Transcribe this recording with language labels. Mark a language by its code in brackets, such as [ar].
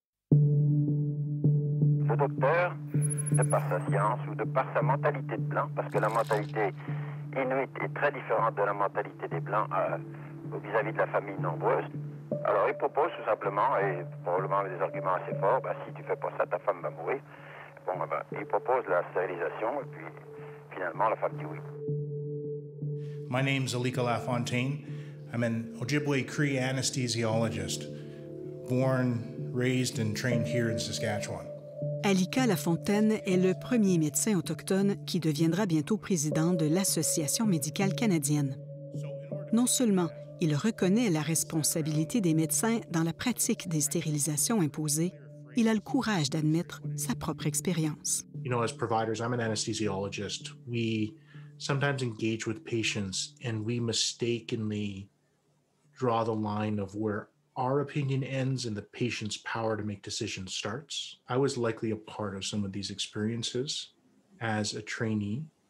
[fr] Le docteur, de par sa science ou de par sa mentalité de blanc, parce que la mentalité inuite est très différente de la mentalité des blancs vis-à-vis de la famille nombreuse. Alors, il propose tout simplement, et probablement avec des arguments assez forts, ben, si tu fais pas ça, ta femme va mourir. Bon, ben, il propose la stérilisation, et puis finalement, la femme dit oui. [en] My name's Alika LaFontaine. I'm an Ojibwe Cree anesthesiologist, born, raised, and trained here in Saskatchewan. [fr] Alika LaFontaine est le premier médecin autochtone qui deviendra bientôt président de l'Association médicale canadienne. Non seulement il reconnaît la responsabilité des médecins dans la pratique des stérilisations imposées, il a le courage d'admettre sa propre expérience. [en] You know, as providers, I'm an anesthesiologist. We sometimes engage with patients and we mistakenly draw the line of where our opinion ends and the patient's power to make decisions starts. I was likely a part of some of these experiences as a trainee.